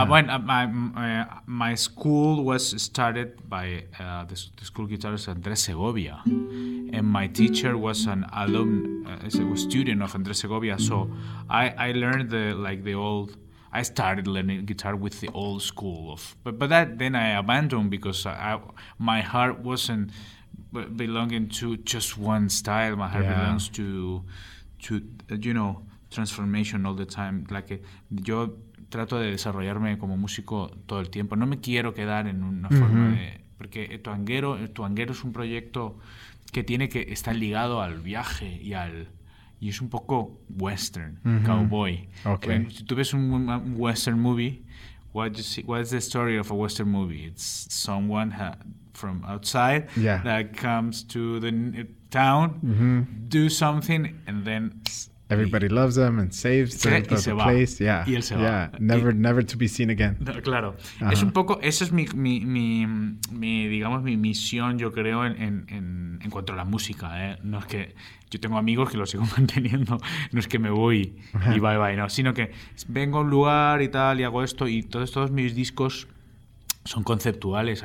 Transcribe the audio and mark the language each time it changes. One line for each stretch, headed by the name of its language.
English: I went, my school was started by the school guitarist Andrés Segovia, and my teacher was an alumn, a student of Andrés Segovia. So I learned the old... I started learning guitar with the old school of, but that then I abandoned because my heart wasn't belonging to just one style. My heart belongs to you know, transformation all the time.
Spanish: Like yo trato de desarrollarme como músico todo el tiempo. No me quiero quedar en una forma de, porque tu anguero es un proyecto que tiene que estar ligado al viaje y al, y es un poco western, cowboy.
English: Okay. When,
Spanish: si tú ves un
English: western movie, what is the story of a western movie? It's someone from outside that comes to the town, do something, and then... Everybody loves them and saves them from the place.
Spanish: Va.
English: Yeah.
Spanish: Y él se va.
English: Yeah. Never to be seen again.
Spanish: No, claro. Uh-huh. Es un poco, esa es mi digamos, mi misión, yo creo, en cuanto a la música. No es que yo tengo amigos que lo sigo manteniendo. No es que me voy y bye bye, no. Sino que vengo a un lugar y tal y hago esto y todos mis discos son conceptuales.